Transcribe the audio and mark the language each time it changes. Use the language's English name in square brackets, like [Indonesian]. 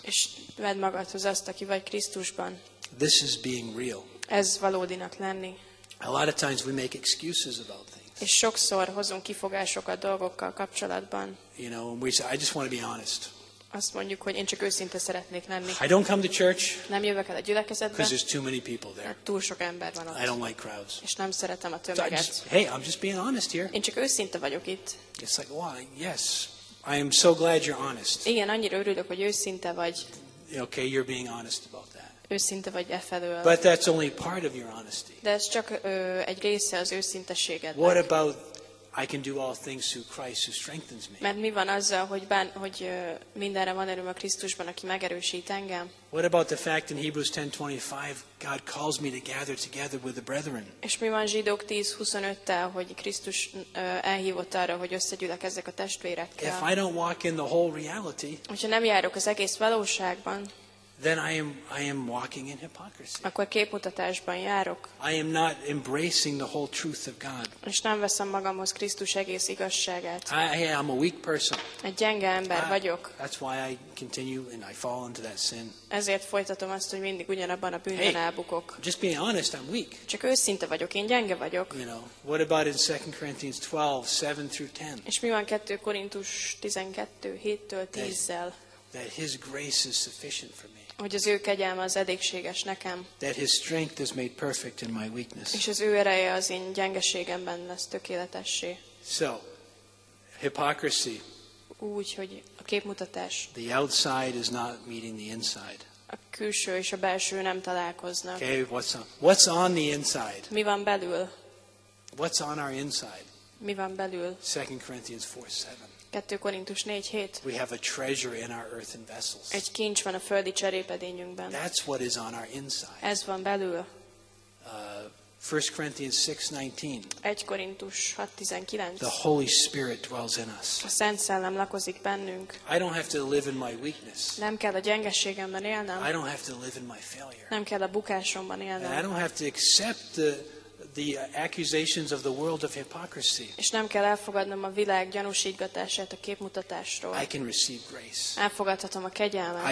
[Hungarian] És vedd magadhoz azt, aki vagy Krisztusban. [English] This is being real. [Hungarian] Ez valódinak lenni. [English] A lot of times we make excuses about things. [Hungarian] És sokszor hozunk kifogásokat dolgokkal kapcsolatban. [English] You know, we say, I just want to be honest. [Hungarian] Azt mondjuk, hogy én csak őszinte szeretnék lenni. [English] I don't come to church. [Hungarian] Nem jövök el a gyülekezetbe. [English] Because there's too many people there. [Hungarian] Túl sok ember van ott. [English] I don't like crowds. [Hungarian] És nem szeretem a tömeget. [English] So I'm just being honest here. [Hungarian] Én csak őszinte vagyok itt. [English] It's like, wow, yes, I am so glad you're honest. [Hungarian] Igen, annyira örülök, hogy őszinte vagy. [English] Okay, you're being honest about that. [Hungarian] Őszinte vagy e felől. [English] But that's only part of your honesty. [Hungarian] De ez csak egy része az őszinteségednek. [English] What about I can do all things through Christ who strengthens me. [Hungarian] Mert mi van azzal, hogy mindenre van erőm a Krisztusban, aki megerősít engem? [English] What about the fact in Hebrews 10:25 God calls me to gather together with the brethren? [Hungarian] És mi van Zsidók 10:25-tel, hogy Krisztus elhívott arra, hogy összegyűlökezzek a testvérekkel? [English] If I don't walk in the whole reality, [Hungarian] hogyha nem járok az egész valóságban, [English] then I am walking in hypocrisy. [Hungarian] Akkor képmutatásban járok. [English] I am not embracing the whole truth of God. [Hungarian] És nem veszem magamhoz Krisztus egész igazságát. [English] I am a weak person. [Hungarian] Egy gyenge ember vagyok. [English] That's why I continue and I fall into that sin. [Hungarian] Ezért folytatom azt, hogy mindig ugyanabban a bűnben elbukok. [English] Just being honest, I'm weak. [Hungarian] Csak őszinte vagyok, én gyenge vagyok. [English] You know, what about in 2 Corinthians 12:7-10? [Hungarian] És mi van 2 Korintus 12:7-10-zel? [English] That his grace is sufficient for me. [Hungarian] Hogy az ő kegyelme az elégséges nekem. [English] That his strength is made perfect in my weakness. [Hungarian] És az ő ereje az én gyengeségemben lesz tökéletessé. [English] So, hypocrisy. [Hungarian] Úgy, hogy a képmutatás. [English] The outside is not meeting the inside. [Hungarian] A külső és a belső nem találkoznak. [English] Okay, what's on the inside? [Hungarian] Mi van belül? [English] What's on our inside? [Hungarian] Mi van belül? [English] 2 Corinthians 4:7. [Hungarian] 2 Korintus 4:7. [English] We have a treasure in our earthen vessels. [Hungarian] Egy kincs van a földi cserépedényünkben. [English] That's what is on our inside. [Hungarian] Ez van belül. [English] 1 Corinthians 6:19. [Hungarian] 1 Korintus 6:19. [English] The Holy Spirit dwells in us. [Hungarian] A Szent Szellem lakozik bennünk. [English] I don't have to live in my weakness. [Hungarian] Nem kell a gyengeségemben élnem. [English] I don't have to live in my failure. [Hungarian] Nem kell a bukásomban élnem. [English] And I don't have to accept the accusations of the world of hypocrisy. [Hungarian] És nem kell elfogadnom a világ gyanúsítgatását a képmutatásról. [English] I can receive grace. [Hungarian] Elfogadhatom a kegyelmet.